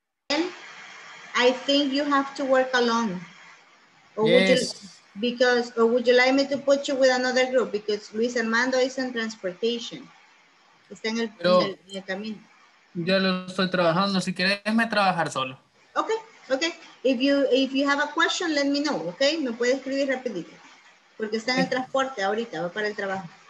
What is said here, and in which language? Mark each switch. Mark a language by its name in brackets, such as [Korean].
[English] And I think you have to work alone. Or yes. Would you like me to put you with another group? Because Luis Armando is in transportation. [Spanish] Está en el camino. Yo lo estoy trabajando, si quieres me trabajar solo. Okay. [English] If you have a question, let me know, okay? [Spanish] Me puede escribir rapidito. Porque está en el transporte ahorita, va para el trabajo.